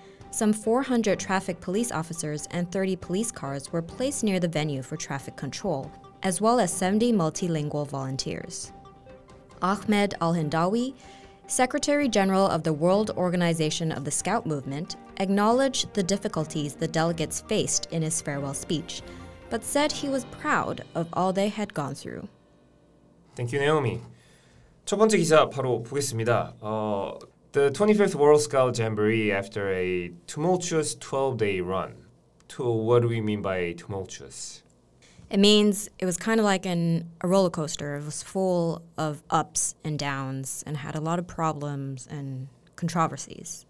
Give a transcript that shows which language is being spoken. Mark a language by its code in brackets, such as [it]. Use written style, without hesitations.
[en] Some 400 traffic police officers and 30 police cars were placed near the venue for traffic control, as well as 70 multilingual volunteers. Ahmed Al-Hindawi, Secretary General of the World Organization of the Scout Movement, acknowledged the difficulties the delegates faced in his farewell speech, but said he was proud of all they had gone through. Thank you, Naomi. [ko] 첫 번째 기사 바로 보겠습니다. [en] The 25th World Scout Jamboree after a tumultuous 12-day run. What do we mean by tumultuous? It means it was kind of like a roller coaster. It was full of ups and downs and had a lot of problems and controversies.